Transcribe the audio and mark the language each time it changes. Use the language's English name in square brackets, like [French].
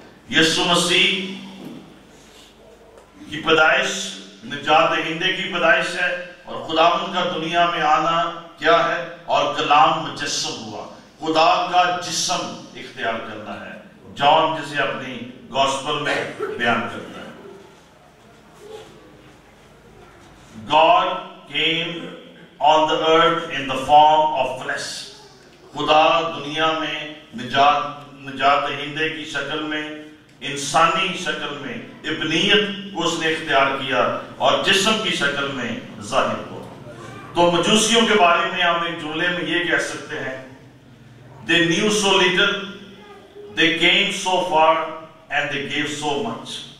[Urdu] یسوع مسیح کی پیدائش نجات دہندے کی پیدائش ہے اور خداوند کا دنیا میں آنا کیا ہے اور کلام مجسم ہوا، خدا کا جسم اختیار کرنا ہے، جان جسے اپنی گوسپل میں بیان کرتا ہے. [English] God came on the earth in the form of flesh. [Urdu] خدا دنیا میں نجات دہندے کی شکل میں، انسانی شکل میں، ابنیت کو اس نے اختیار کیا اور جسم کی شکل میں ظاہر ہوا. تو مجوسیوں کے بارے میں ہم ایک جملے میں یہ کہہ سکتے ہیں [English] they knew so little, they came so far and they gave so much.